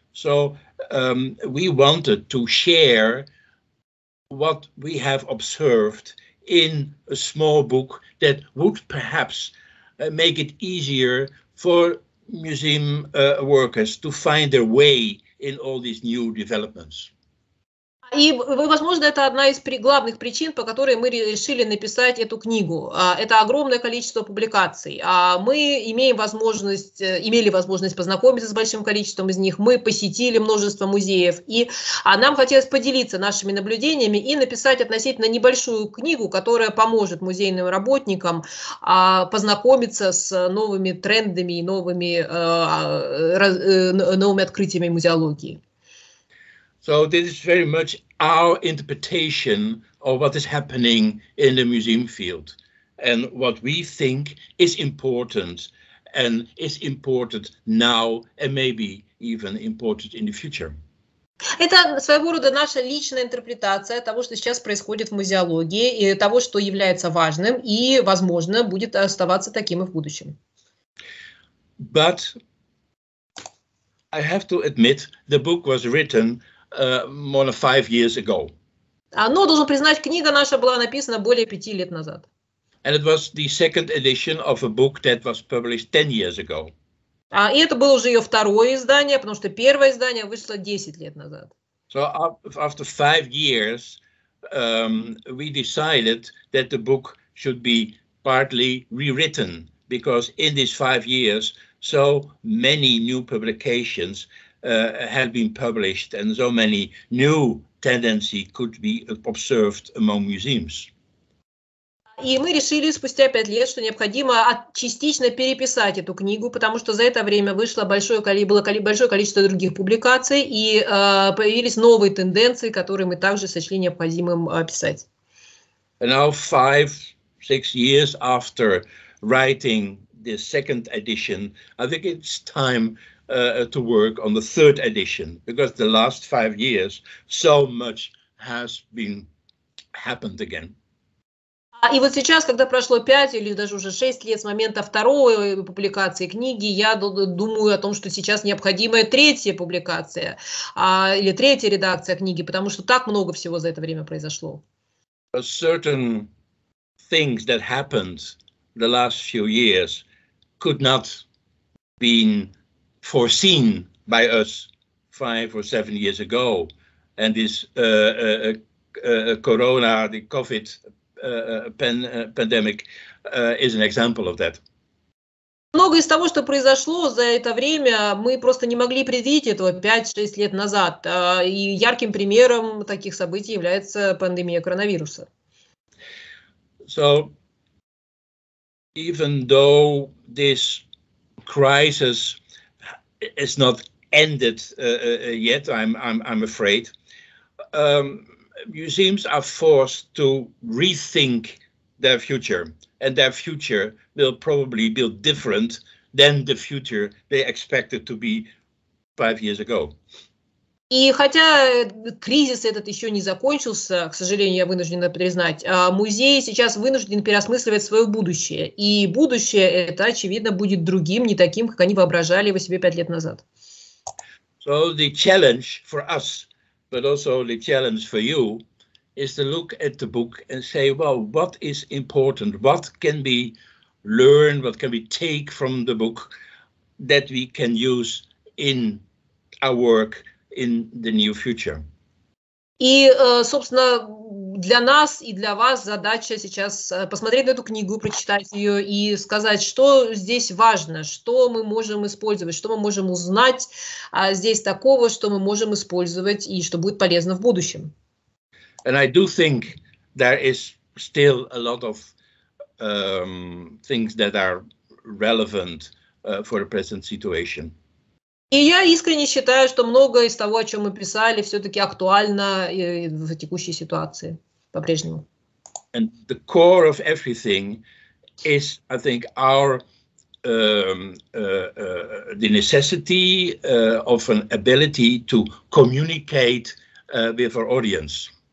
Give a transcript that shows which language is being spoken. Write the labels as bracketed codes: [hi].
[en] So we wanted to share what we have observed in a small book that would perhaps make it easier for museum workers to find their way in all these new developments. [ru] И, возможно, это одна из главных причин, по которой мы решили написать эту книгу. Это огромное количество публикаций. Мы имели возможность познакомиться с большим количеством из них. Мы посетили множество музеев. И нам хотелось поделиться нашими наблюдениями и написать относительно небольшую книгу, которая поможет музейным работникам познакомиться с новыми трендами и новыми открытиями музеологии. [en] So this is very much our interpretation of what is happening in the museum field and what we think is important and is important now and maybe even important in the future. [ru] Это своего рода наша личная интерпретация того, что сейчас происходит в музеологии и того, что является важным и, возможно, будет оставаться таким и в будущем. [en] But I have to admit, the book was written more than 5 years ago. [ru] Но должен признать, книга наша была написана более 5 лет назад. [en] And it was the second edition of a book that was published 10 years ago. [ru] И это было уже ее второе издание, потому что первое издание вышло 10 лет назад. [en] So after 5 years, we decided that the book should be partly rewritten because in these 5 years, so many new publications had been published, and so many new tendencies could be observed among museums. [ru] И мы решили спустя 5 лет, что необходимо частично переписать эту книгу, потому что за это время вышло большое количество других публикаций, и появились новые тенденции, которые мы также сочли необходимым описать. [en] And now 5-6 years after writing the second edition, I think it's time to work on the third edition, because the last 5 years, so much has been happened again. [ru] И вот сейчас, когда прошло 5 или даже уже 6 лет с момента второй публикации книги, я думаю о том, что сейчас необходима третья публикация или третья редакция книги, потому что так много всего за это время произошло. [en] Certain things that happened the last few years could not be foreseen by us 5 or 7 years ago, and this corona, the COVID pandemic is an example of that. [ru] Много из того, что произошло за это время, мы просто не могли предвидеть этого 5-6 лет назад. И ярким примером таких событий является пандемия коронавируса. [en] So, even though this crisis it's not ended yet, I'm afraid. Museums are forced to rethink their future, and their future will probably be different than the future they expected to be 5 years ago. [ru] И хотя кризис этот еще не закончился, к сожалению, я вынуждена признать, музей сейчас вынужден переосмысливать свое будущее. И будущее это, очевидно, будет другим, не таким, как они воображали его себе 5 лет назад. [en] So the challenge for us, but also the challenge for you, is to look at the book and say, well, what is important, what can we learn, what can we take from the book that we can use in our work in the near future. [ru] И, собственно, для нас и для вас задача сейчас посмотреть эту книгу, прочитать ее и сказать, что здесь важно, что мы можем использовать, что мы можем узнать здесь такого, что мы можем использовать и что будет полезно в будущем. [en] And I do think there is still a lot of things that are relevant for the present situation. [ru] И я искренне считаю, что многое из того, о чем мы писали, все-таки актуально в текущей ситуации по-прежнему. [en] And the core of everything is, I think, our the necessity of an ability to communicate with our audience.